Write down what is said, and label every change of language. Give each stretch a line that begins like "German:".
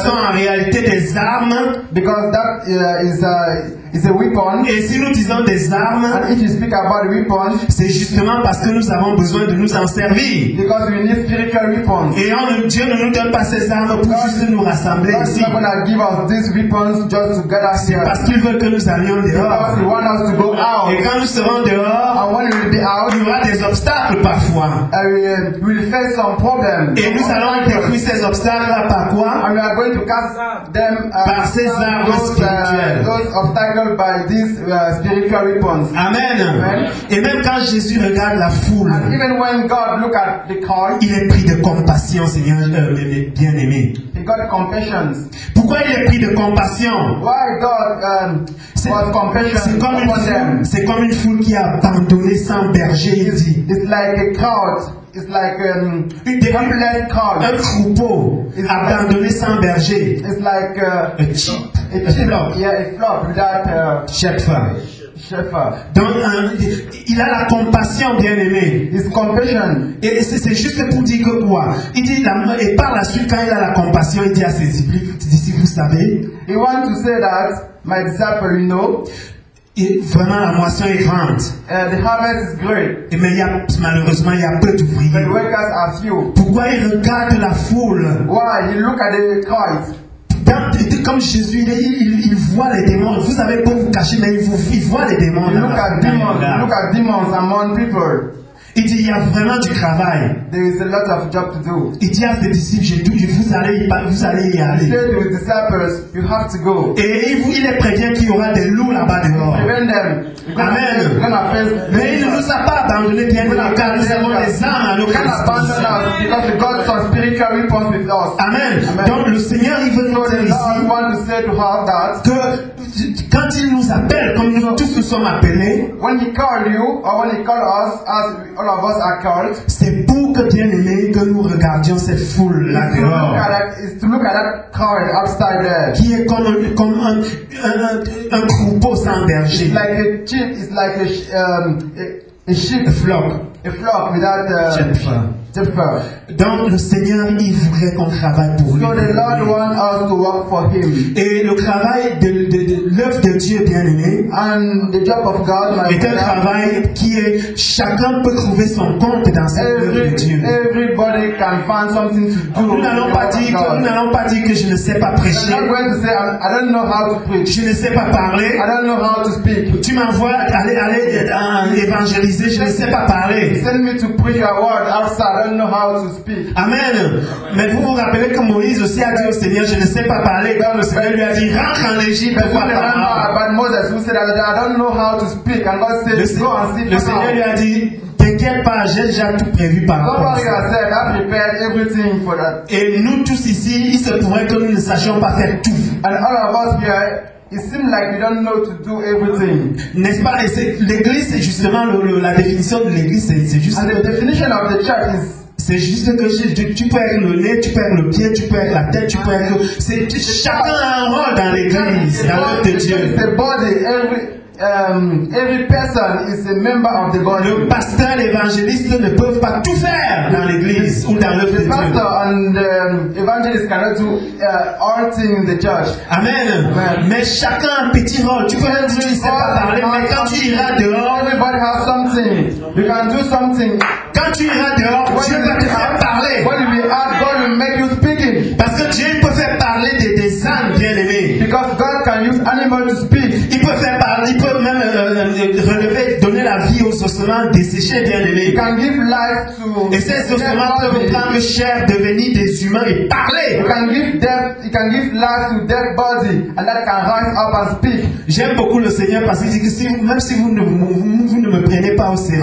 French: qui sont en réalité des armes.
English: Because that is a It's a weapon.
French: Et si nous disons des armes,
English: and if you speak about a weapon,
French: c'est justement parce que nous avons besoin de nous en servir.
English: Because we need spiritual weapons.
French: Et on, Dieu ne nous donne pas ces armes pour juste nous rassembler ici.
English: God is not going to give us these weapons just to gather here.
French: C'est parce qu'il veut que nous allions dehors.
English: He wants us to go out.
French: Et quand nous serons dehors,
English: and when we'll be out,
French: il y aura des obstacles parfois.
English: We'll face some problems.
French: Et nous allons détruire ces obstacles-là par quoi?
English: And we are going to cast them,
French: par ces armes spirituelles.
English: By this spiritual weapons.
French: Amen. Et même quand Jésus regarde la foule,
English: and even when God look at the crowd,
French: il est pris de compassion, Seigneur, bien-aimé.
English: He got compassion.
French: Pourquoi il est pris de compassion?
English: Why God was compassion?
French: C'est comme une foule. C'est comme une foule qui a abandonné son berger. Il dit.
English: It's like a crowd. It's like helpless crowd.
French: Un troupeau. It's abandonné sans berger.
English: It's like a flock. Yeah, a flock without
French: shepherd. Donc il a la compassion, bien aimé.
English: His compassion.
French: Et c'est juste pour dire que quoi? Il dit la, et par la suite quand il a la compassion, il dit à ses disciples, vous savez?
English: He wants to say that my disciples, you know.
French: Et vraiment, la moisson est grande.
English: The harvest is great.
French: Et mais malheureusement, il y a peu d'ouvriers.
English: The workers are few.
French: Pourquoi il regarde la foule?
English: Why? He look at the crowd.
French: Comme Jésus, il voit les démons. Vous savez pas vous cacher, mais il voit les démons.
English: He look at demons. He look at demons among people.
French: Il dit, il y a vraiment du travail.
English: There is a lot of job to do.
French: Il dit à ses disciples, j'ai tout dit, vous allez y aller.
English: He said to his disciples, you have to go.
French: Et il les prévient qu'il y aura des loups là-bas dehors.
English: Prevent them. Amen.
French: Mais il ne nous a pas abandonné bien car nous avons les armes à nos
English: côtés. Because God has spiritual weapons with us. Amen.
French: Donc le Seigneur il veut nous dire ici,
English: want to say to have that,
French: que quand il nous appelle, comme nous tous nous sommes appelés,
English: when he calls you or when he calls us, as all of us are called,
French: c'est pour que bien aimé que nous regardions cette foule là dehors.
English: To look at that crowd outside there.
French: Qui est comme un troupeau sans berger.
English: Like a sheep, it's like a sheep. A flock without shepherd.
French: Donc le Seigneur il voudrait qu'on travaille pour lui.
English: So the Lord wants us to work for him.
French: Et le travail de l'œuvre de Dieu bien aimé.
English: And the job of God, my
French: est un
English: God,
French: travail qui est chacun peut trouver son compte dans cette œuvre de Dieu.
English: Everybody can find something to do.
French: Nous n'allons pas dire que je ne sais pas prêcher.
English: I'm not going to say I don't know how to preach.
French: Je ne sais pas parler.
English: I don't know how to speak.
French: Tu m'envoies aller évangéliser. Je ne sais pas parler.
English: Send me to preach your word outside. I don't know how to speak. Amen.
French: Mais vous vous rappelez que Moïse aussi a dit au Seigneur, je ne sais pas parler. Quand le Seigneur lui a dit, rentre en Égypte.
English: But Moses, who said, I don't know how to speak. And God said, go and see.
French: Le Seigneur lui a dit, t'inquiète pas, j'ai déjà tout prévu par rapport à ça. Et nous tous ici, il se pourrait que nous ne sachions pas faire tout.
English: And all of us here, it seems like you don't know to do everything.
French: N'est-ce pas? L'église, c'est justement la définition de l'église, c'est juste.
English: And the definition of the church is.
French: C'est juste que tu perds le nez, tu perds le pied, tu perds la tête, tu perds. C'est chacun a un rôle dans l'église, dans l'œuvre de Dieu.
English: The body, every person is a member of the body.
French: Le pasteur, l'évangéliste ne peuvent pas tout faire dans l'église ou dans l'œuvre de Dieu.
English: The pastor and evangelist cannot do all things in the church.
French: Amen. Mais chacun a un petit rôle. Tu peux dire tu ne sais pas parler, mais quand tu iras dehors,
English: everybody has something. You can do something.
French: Quand tu iras dehors, Dieu va te faire parler.
English: When you ask, God will make you speaking.
French: Parce que Dieu peut faire parler des âmes bien aimées.
English: Because God can use animals to speak.
French: Il peut faire parler, il peut même relever, donner la vie aux ossements desséchés bien aimés.
English: Can give life to.
French: Et ces ossements peuvent prendre chair, devenir des humains et parler.
English: You can give death. You can give life to dead body, and that can rise up and speak.
French: J'aime beaucoup le Seigneur parce qu'il dit que si, même si vous ne me prenez pas au sérieux.